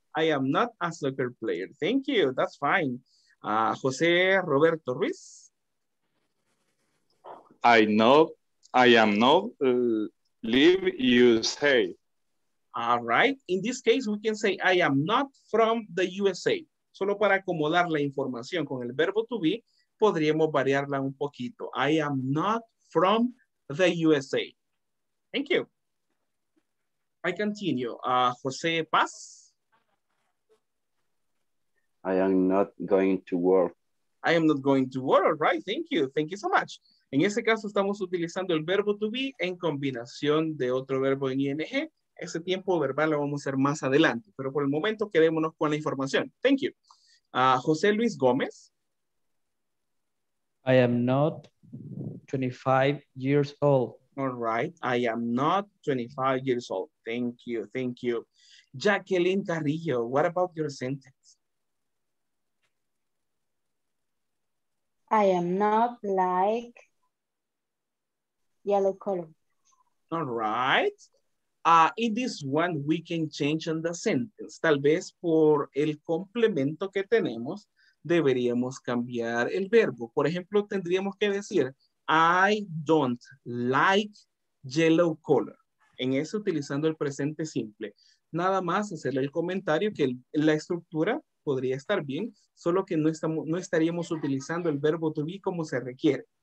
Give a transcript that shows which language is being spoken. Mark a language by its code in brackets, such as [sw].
[en] I am not a soccer player. Thank you. That's fine. Jose Roberto Ruiz. I am not live USA. All right. In this case, we can say I am not from the USA. [es] Solo para acomodar la información con el verbo to be, podríamos variarla un poquito. [en] I am not from the USA. Thank you. I continue. Jose Paz. I am not going to work. I am not going to work. All right. Thank you. Thank you so much. [es] En ese caso, estamos utilizando el verbo to be en combinación de otro verbo en ing. Ese tiempo verbal lo vamos a hacer más adelante. Pero por el momento, quedémonos con la información. [en] Thank you. José Luis Gómez. I am not 25 years old. All right. I am not 25 years old. Thank you. Thank you. Jacqueline Carrillo, what about your sentence? I am not like yellow color. All right. In this one, we can change on the sentence. [es] Tal vez por el complemento que tenemos, deberíamos cambiar el verbo. Por ejemplo, tendríamos que decir, [en] I don't like yellow color. [es] En eso, utilizando el presente simple. Nada más hacerle el comentario que la estructura podría estar bien, solo que no estaríamos utilizando el verbo to be como se requiere.